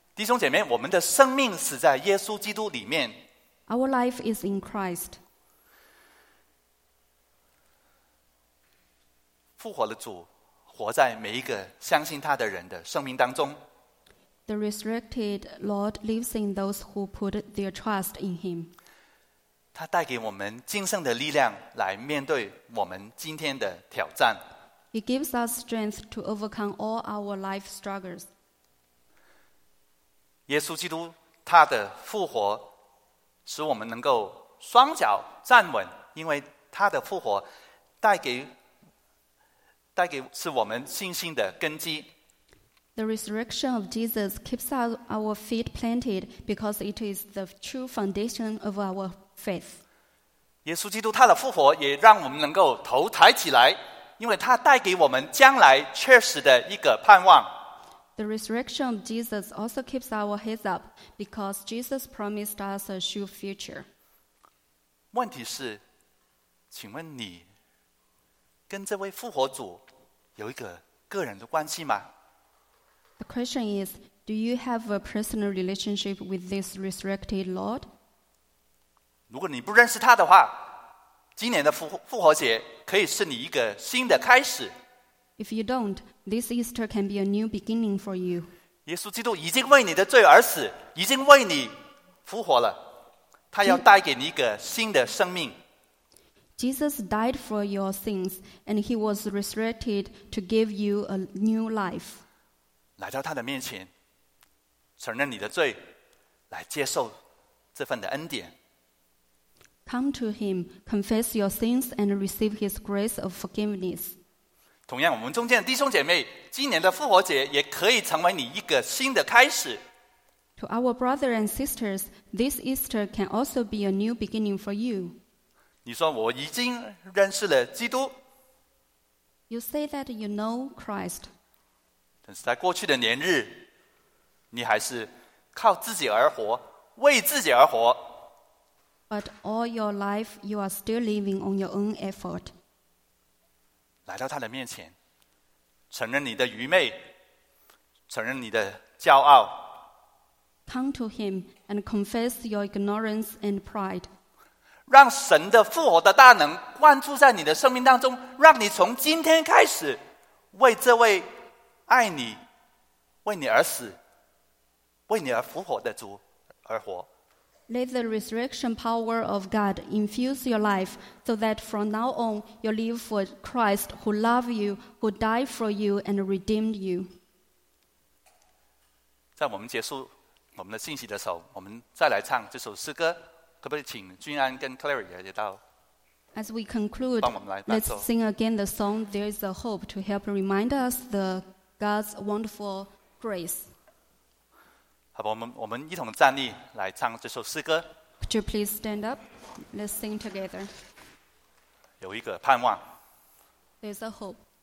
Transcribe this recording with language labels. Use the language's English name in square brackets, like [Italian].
[Chinese] 弟兄姐妹，我们的生命死在耶稣基督里面。 [English] Our life is in Christ. [Chinese] 复活的主活在每一个相信他的人的生命当中。 [English] The resurrected Lord lives in those who put their trust in him. [Chinese] 他带给我们今生的力量来面对我们今天的挑战。 [English] He gives us strength to overcome all our life struggles. [Chinese] 耶稣基督他的复活使我们能够双脚站稳，因为他的复活带给是我们信心的根基。 [English] The resurrection of Jesus keeps our feet planted because it is the true foundation of our faith. [Chinese] 耶稣基督他的复活也让我们能够头抬起来，因为他带给我们将来确实的一个盼望。 [English] The resurrection of Jesus also keeps our heads up because Jesus promised us a sure future. [Chinese] 问题是，请问你跟这位复活主有一个个人的关系吗？ [English] The question is, do you have a personal relationship with this resurrected Lord? [Chinese] 如果你不认识他的话，今年的复活节可以是你一个新的开始。 [English] If you don't, this Easter can be a new beginning for you. [Chinese] 耶稣基督已经为你的罪而死，已经为你复活了，他要带给你一个新的生命。 [English] Jesus died for your sins, and he was resurrected to give you a new life. [Chinese] 来到他的面前，承认你的罪，来接受这份的恩典。 [English] Come to him, confess your sins, and receive his grace of forgiveness. [Chinese] 同样，我们中间的弟兄姐妹，今年的复活节也可以成为你一个新的开始。 [English] To our brothers and sisters, this Easter can also be a new beginning for you. [Chinese] 你说我已经认识了基督。 [English] You say that you know Christ. [Chinese] 但是在过去的年日，你还是靠自己而活，为自己而活。 [English] But all your life, you are still living on your own effort. [Chinese] 来到他的面前，承认你的愚昧，承认你的骄傲。 [English] Come to him and confess your ignorance and pride. [Chinese] 让神的复活的大能灌注在你的生命当中，让你从今天开始为这位爱你、为你而死、为你而复活的主而活。 [English] Let the resurrection power of God infuse your life so that from now on you live for Christ who loved you, who died for you and redeemed you. [Chinese] 在我们结束我们的信息的时候，我们再来唱这首诗歌，可不可以请君安跟 Clary 也到。 [English] As we conclude, let's sing again the song There is a Hope to help remind us the God's wonderful grace. [Chinese] 好吧，我们一同站立来唱这首诗歌。 [English] Could you please stand up? Let's sing together. [Chinese] 有一个盼望。 [English] There's a hope.